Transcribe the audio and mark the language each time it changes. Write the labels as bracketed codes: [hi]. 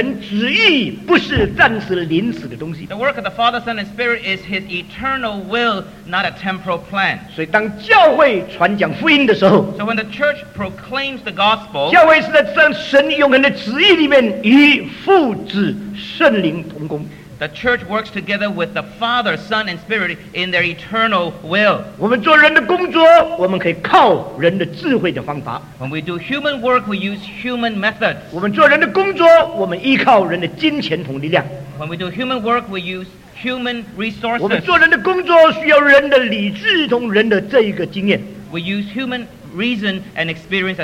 [zh] 圣父、圣子、圣灵所做的工作是永恒旨意，不是暂时临时的东西。 [en] The work of the Father, Son, and Spirit is His eternal will, not a temporal plan. [zh] 所以当教会传讲福音的时候， [en] So when the church proclaims the gospel, [zh] 教会是在神永恒的旨意里面与父、子、圣灵同工。 [en] The church works together with the Father, Son, and Spirit in their eternal will. [zh] 我们做人的工作，我们可以靠人的智慧的方法。 [en] When we do human work, we use human methods. [zh] 我们做人的工作，我们依靠人的金钱同力量。 [en] When we do human work, we use human resources. [zh] 我们做人的工作需要人的理智同人的这一个经验。 [en] We use human reason and experience as well.